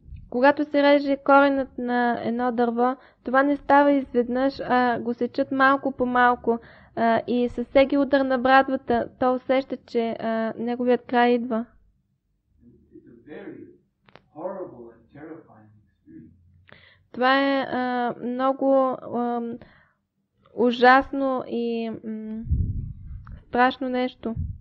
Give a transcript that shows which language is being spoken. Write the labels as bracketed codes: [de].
[bg] Когато се реже коренът на едно дърво, това не става изведнъж, а го сечат малко по малко. И със всеки удар на брадвата, то усеща, че неговият край идва. [en] It's a very horrible and terrifying experience. [bg] Това е много ужасно и страшно нещо.